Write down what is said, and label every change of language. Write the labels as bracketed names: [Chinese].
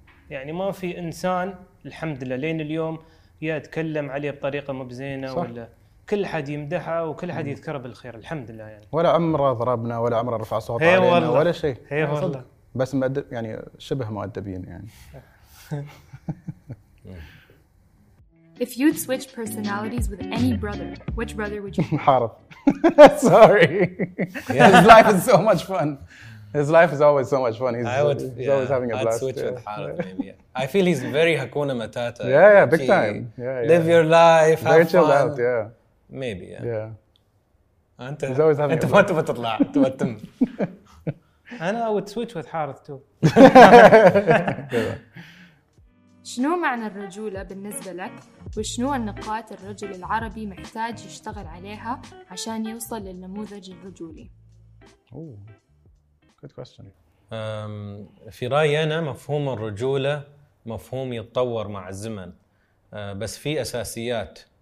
[Arabic] يعني ما في إنسان الحمد لله لين اليوم يا أتكلم عليه بطريقة مو بزينة، ولا كل حد يمدحه وكل حد يذكره بالخير الحمد لله. يعني ولا عمره ضربنا ولا عمره رفع صوت علينا والله. ولا شيء. هي والله. بس مؤدب يعني شبه مؤدبين يعني. [English] If you'd switch personalities with any brother, which brother would you? Harith. Sorry. Yeah. His life is so much fun. His life is always so much fun. He's always having a blast. I'd switch with Harald. Maybe. I feel he's very Hakuna Matata. Yeah, yeah, big time. Yeah. Live your life. Very chilled out. Yeah. Maybe. Yeah. [Arabic] أنت. [English] He's always having. [Arabic] أنت ما تبغى تطلع. تبغى تم. أنا [English] I would switch with Harald too. [Arabic] شنو معنى الرجولة بالنسبة لك؟ وشنو النقاط الرجل العربي محتاج يشتغل عليها عشان يوصل للنموذج الرجولي؟ [English] Good question. [Arabic] في رأيي أنا مفهوم الرجولة مفهوم يتطور مع الزمن، بس في أساسيات.